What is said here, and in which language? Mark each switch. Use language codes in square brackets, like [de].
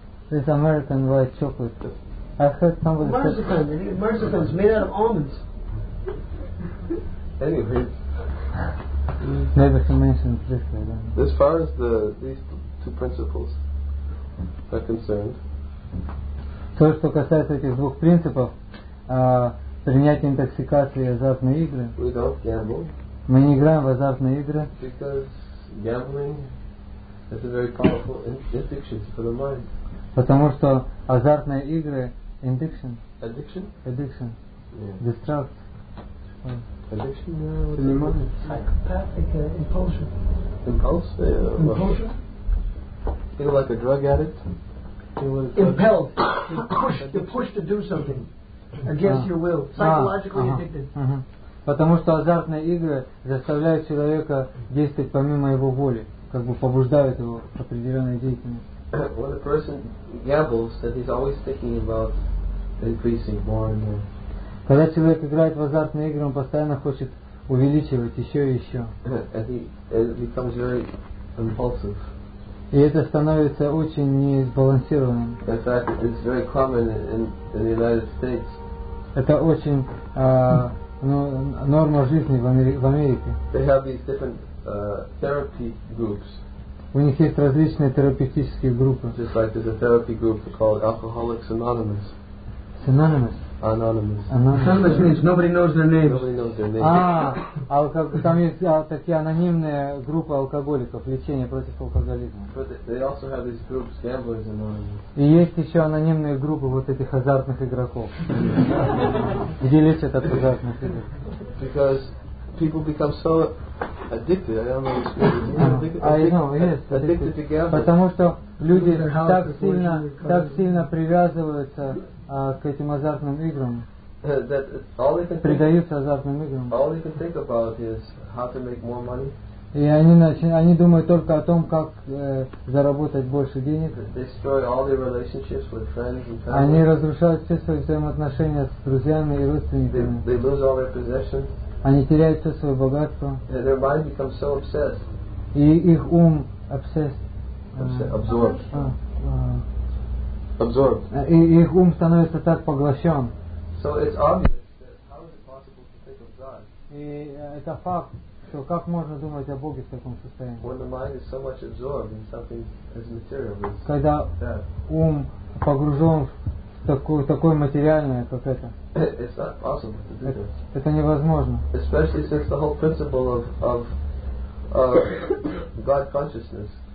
[en] It's American white chocolate. I heard somebody marzipan. Said... Marzipan is made out of almonds. Anyway. Maybe he mentioned it briefly then. As far as these two principles are concerned... [ru] То, что касается этих двух принципов, принять интоксикацию и азартные игры. [en] We don't gamble. [ru] Мы не играем в азартные игры. [en] Because gambling is a very powerful addiction for the mind. [ru] Потому что азартные игры [en] addiction. Addiction? Addiction. Yeah. Distract. Addiction? Psychopathic impulsion. Impulse? Impulsion? Feel like a drug addict? Impelled. You're pushed to do something. Against your will, psychologically addicted. [ru] Потому что азартные игры заставляют человека действовать помимо его воли, как бы побуждают его к определенной деятельности. [en] When a person gambles, that he's always thinking about increasing more and more. [ru] Когда человек играет в азартные игры, он постоянно хочет увеличивать еще и еще. [en] And he becomes very impulsive. [ru] И это становится очень несбалансированным. [en] In fact, it's very common in the United States. [ru] Это очень норма жизни в Америке. [en] They have these different therapy groups. [ru] У них есть различные терапевтические группы. [en] Just like there's a therapy group called Alcoholics Anonymous. It's anonymous. Anonymous. Anonymous means nobody knows their names. Nobody knows their names. [ru] Там есть такие анонимные группы алкоголиков, лечение против алкоголизма. [en] But they also have these groups, Gamblers Anonymous. [ru] И есть еще анонимные группы вот этих азартных игроков, где лечат от азартных игр. [en] Because people become so addicted. Addicted to gambling. [ru] Потому что люди так сильно привязываются к этим азартным играм, предаются азартным играм. [en] All they can think about is how to make more money. [ru] И они думают только о том, как заработать больше денег. [en] They destroy all their relationships with friends and family. [ru] Они разрушают все свои взаимоотношения с друзьями и родственниками. [en] They lose all their possessions. [ru] Они теряют все свое богатство. [en] And their mind becomes so obsessed. [ru] И их ум [en] obsessed. Absorbed. [ru] И их ум становится так поглощен. [en] So it's obvious that how is it possible to think of God? [ru] И это факт, что как можно думать о Боге в таком состоянии? [en] When the mind is so much absorbed in something as material as [ru] когда ум погружен в такое материальное, как это. [en] It's not possible to do that. [ru] Это невозможно. [en] Especially since the whole principle of God consciousness.